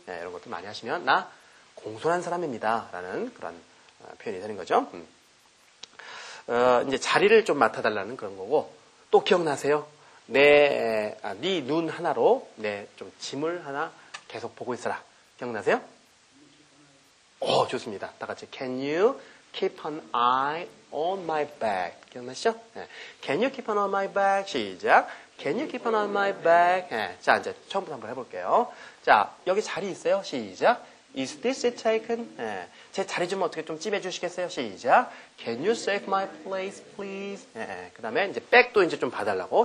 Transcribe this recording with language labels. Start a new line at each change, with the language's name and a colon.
Korean: 네, 이런 것도 많이 하시면 나 공손한 사람입니다. 라는 그런 표현이 되는 거죠. 이제 자리를 좀 맡아달라는 그런 거고, 또 기억나세요? 내, 아, 네 눈 하나로 내 좀 짐을 하나 계속 보고 있어라. 기억나세요? 오, 좋습니다. 다 같이.
English: Can you keep an eye on my bag?
Korean: 기억나시죠? 네.
English: Can you keep an eye on my bag?
Korean: 시작.
English: Can you keep an eye on my bag?
Korean: 네. 자, 이제 처음부터 한번 해볼게요. 자, 여기 자리 있어요? 시작.
English: Is this seat taken?
Korean: 네. 제 자리 좀 어떻게 좀 찜해주시겠어요?
English: 시작. Can you save my place, please? 네.
Korean: 그 다음에 이제 백도 이제 좀 봐달라고.